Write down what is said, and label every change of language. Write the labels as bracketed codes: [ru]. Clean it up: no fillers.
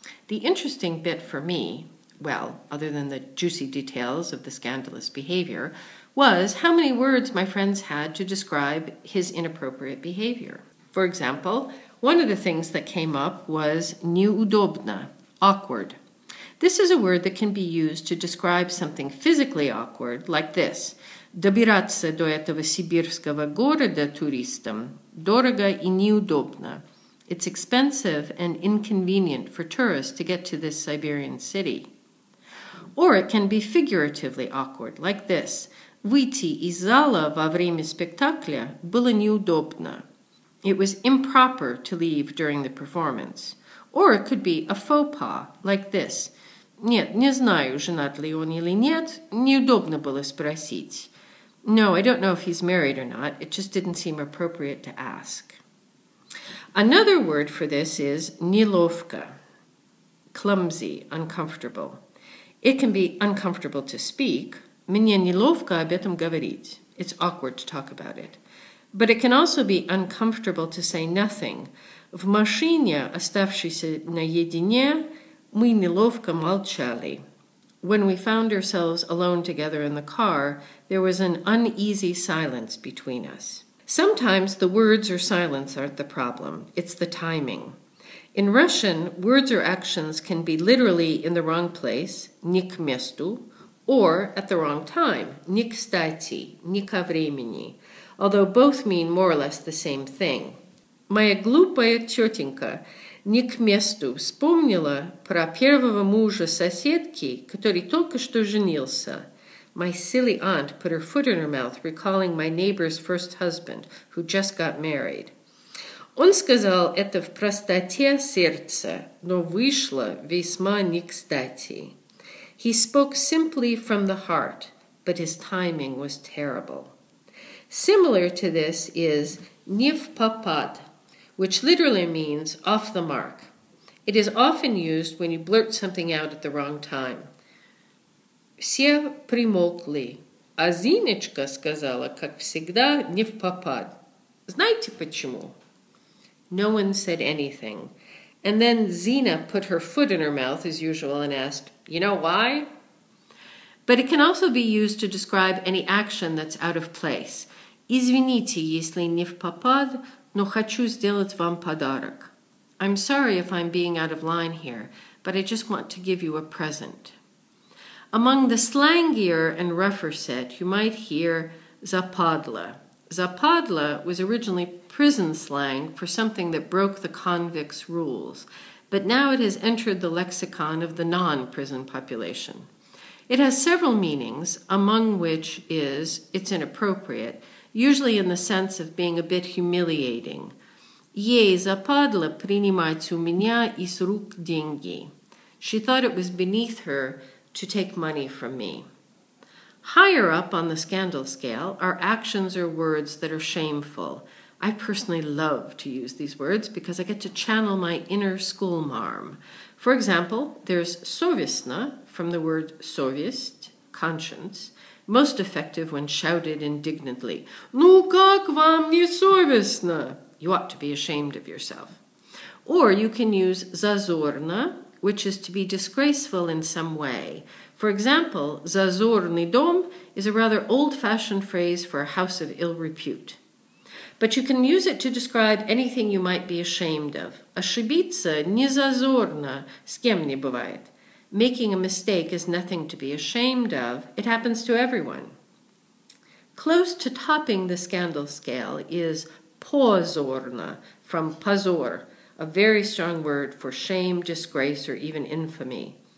[en] The interesting bit for me, well, other than the juicy details of the scandalous behavior, was how many words my friends had to describe his inappropriate behavior. For example, one of the things that came up was неудобно, awkward. This is a word that can be used to describe something physically awkward, like this. [ru] Добираться до этого сибирского города туристам дорого и неудобно. [en] It's expensive and inconvenient for tourists to get to this Siberian city. Or it can be figuratively awkward, like this. [ru] Выйти из зала во время спектакля было неудобно. [en] It was improper to leave during the performance. Or it could be a faux pas, like this. [ru] Нет, не знаю, женат ли он или нет, неудобно было спросить. [en] No, I don't know if he's married or not, it just didn't seem appropriate to ask. Another word for this is неловко, clumsy, uncomfortable. It can be uncomfortable to speak. [ru] Мне неловко об этом говорить. [en] It's awkward to talk about it. But it can also be uncomfortable to say nothing. [ru] В машине, оставшись наедине, мы неловко молчали. [en] When we found ourselves alone together in the car, there was an uneasy silence between us. Sometimes the words or silence aren't the problem. It's the timing. In Russian, words or actions can be literally in the wrong place, [ru] не к месту, [en] or at the wrong time, [ru] не кстати, не ко времени. [en] Although both mean more or less the same thing. [ru] Моя глупая тетенька не к месту вспомнила про первого мужа соседки, который только что женился. [en] My silly aunt put her foot in her mouth, recalling my neighbor's first husband, who just got married. [ru] Он сказал это в простоте сердца, но вышло весьма не кстати. [en] He spoke simply from the heart, but his timing was terrible. Similar to this is [ru] не в попад, [en] which literally means off the mark. It is often used when you blurt something out at the wrong time. [ru] Все примолкли, а Зиночка сказала, как всегда, не в попад. Знаете почему? [en] No one said anything. And then Zina put her foot in her mouth, as usual, and asked, you know why? But it can also be used to describe any action that's out of place. [ru] Извините, если не в попад, но хочу сделать вам подарок. [en] I'm sorry if I'm being out of line here, but I just want to give you a present. Among the slangier and rougher set, you might hear западло. Западло was originally prison slang for something that broke the convicts' rules, but now it has entered the lexicon of the non-prison population. It has several meanings, among which is it's inappropriate, usually in the sense of being a bit humiliating. [ru] Ей западло принимать у меня из рук деньги. [en] She thought it was beneath her to take money from me. Higher up on the scandal scale are actions or words that are shameful. I personally love to use these words because I get to channel my inner schoolmarm. For example, there's совестно, from the word совесть, conscience, most effective when shouted indignantly. [ru] Ну как вам не совестно? [en] You ought to be ashamed of yourself. Or you can use зазорно, which is to be disgraceful in some way. For example, [ru] зазорный дом [en] is a rather old-fashioned phrase for a house of ill repute. But you can use it to describe anything you might be ashamed of. [ru] Ошибиться не зазорно, с кем не бывает. [en] Making a mistake is nothing to be ashamed of. It happens to everyone. Close to topping the scandal scale is позорно, from позор, a very strong word for shame, disgrace, or even infamy.